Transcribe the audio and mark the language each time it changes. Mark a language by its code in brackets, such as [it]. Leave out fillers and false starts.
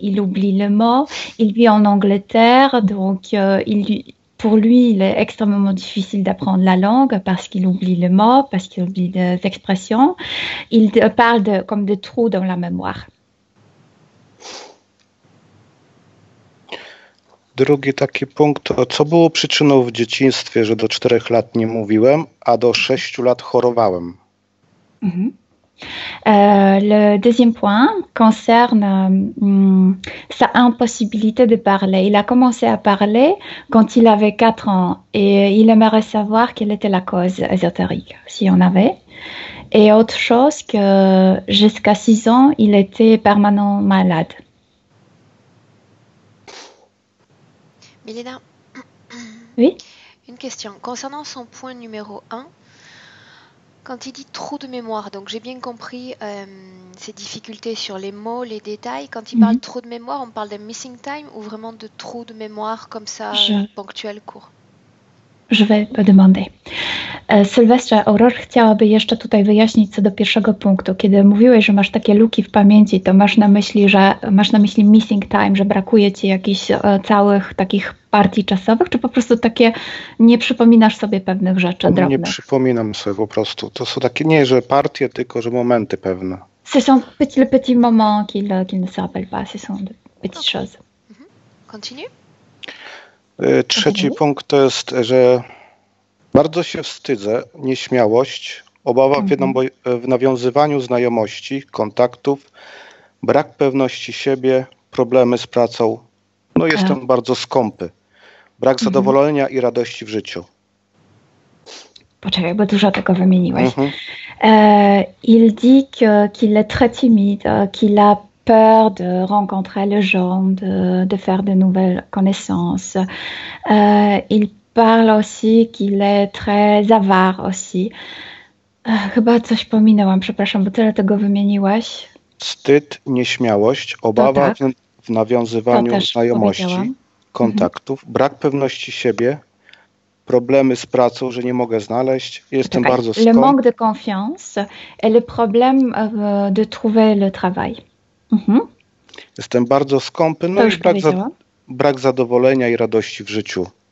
[fr] Il oublie le mot. Il vit en Angleterre. Donc, pour lui, il est extrêmement difficile d'apprendre la langue parce qu'il oublie le mot, parce qu'il oublie des expressions. Il parle de, comme de trous dans la mémoire. [pl] Drugi taki punkt, to co było przyczyną w dzieciństwie, że do 4 lat nie mówiłem, a do 6 lat chorowałem? [fr] Le deuxième point concerne sa impossibilité de parler. Il a commencé à parler quand il avait 4 ans et il aimerait savoir quelle était la cause ésotérique, s'il y en avait. Et autre chose que jusqu'à 6 ans, il était permanent malade. Milena, Oui? une question concernant son point numéro 1. Quand il dit trou de mémoire, donc j'ai bien compris ses difficultés sur les mots, les détails. Quand il parle trou de mémoire, on parle de missing time ou vraiment de trou de mémoire comme ça, ponctuel, court? Je vais te demander. [pl] Sylwestra, Aurore chciałaby jeszcze tutaj wyjaśnić co do pierwszego punktu. Kiedy mówiłeś, że masz takie luki w pamięci, to masz na myśli, że masz na myśli missing time, że brakuje ci jakichś całych takich partii czasowych, czy po prostu takie nie przypominasz sobie pewnych rzeczy Nie drobnych? przypominam sobie po prostu. To są takie nie, że partie, tylko że momenty pewne. [fr] Ce sont petits, le petit moment qu'il ne se rappelle pas. Ce sont des petites choses. Continue. [pl] Trzeci punkt to jest, że bardzo się wstydzę, nieśmiałość, obawa w nawiązywaniu znajomości, kontaktów, brak pewności siebie, problemy z pracą. No jestem bardzo skąpy. Brak zadowolenia i radości w życiu. Poczekaj, bo dużo tego wymieniłeś. [fr] Il dit qu'il est très timide, qu'il a peur de rencontrer les gens, de faire de nouvelles connaissances. Il parle aussi qu'il est très avare aussi. [pl] Chyba coś pominęłam, przepraszam, bo tyle tego wymieniłaś. Wstyd, nieśmiałość, obawa w nawiązywaniu znajomości, kontaktów, brak pewności siebie, problemy z pracą, że nie mogę znaleźć. Jestem Poczekaj. Bardzo skąd. [fr] Le manque de confiance et le problème de trouver le travail. [pl] Jestem bardzo skąpy, no to i brak zadowolenia i radości w życiu.